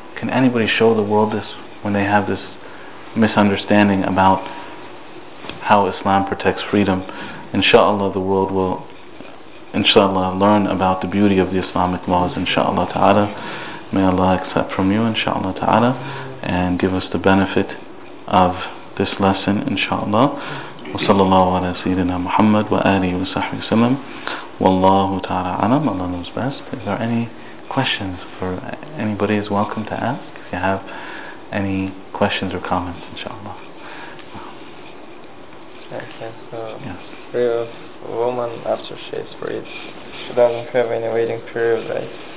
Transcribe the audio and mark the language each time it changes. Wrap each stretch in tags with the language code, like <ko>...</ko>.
<en>Can anybody show the world this when they have this misunderstanding about how Islam protects freedom? Inshallah, the world will, inshallah, learn about the beauty of the Islamic laws, inshallah ta'ala. May Allah accept from you, inshallah ta'ala, and give us the benefit of this lesson, inshallah.</en> <ar>وصلى الله على سيدنا محمد وآله وصحبه وسلم والله تعالى أعلم.</ar> <en>Allah knows best. If there are any questions, for anybody is welcome to ask. If you have any questions or comments, inshallah. Okay, so yes. For a woman after she's freed, she doesn't have any waiting period, right?</en>